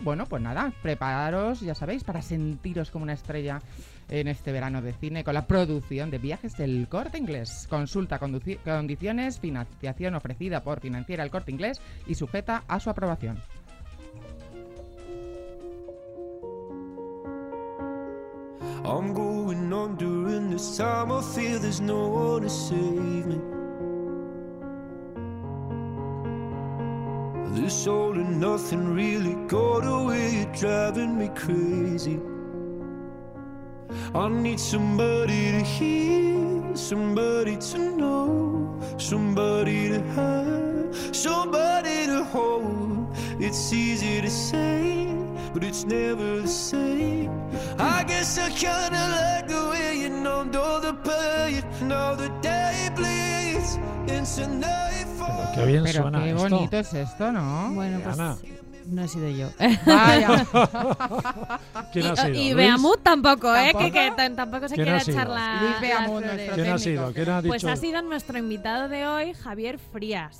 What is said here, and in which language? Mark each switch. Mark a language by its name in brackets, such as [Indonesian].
[Spanish] Bueno, pues nada, prepararos, ya sabéis, para sentiros como una estrella en este verano de cine con la producción de Viajes del Corte Inglés. Consulta condiciones, financiación ofrecida por Financiera El Corte Inglés y sujeta a su aprobación. [English] I'm going under in this time, I fear there's no one to save me. This all or nothing really got away, you're driving me crazy. I need somebody to hear, somebody to know, somebody to have, somebody to hold. It's easy to say, but it's never the same. I guess I kinda like the way you numbed all the pain. Now the day bleeds into nightfall. [Spanish] Pero qué bien suena esto. Pero qué bonito es esto, ¿no? Bueno, pues Ana. No he sido yo. Vaya. ¿Quién ha sido? Y Beamuth tampoco, ¿eh? ¿Tampoco? Que tampoco se quiere echar la... Luis Beamuth, nuestro ¿quién técnico? ¿Ha sido? ¿Quién ha dicho? Pues ha sido nuestro invitado de hoy, Javier Frías.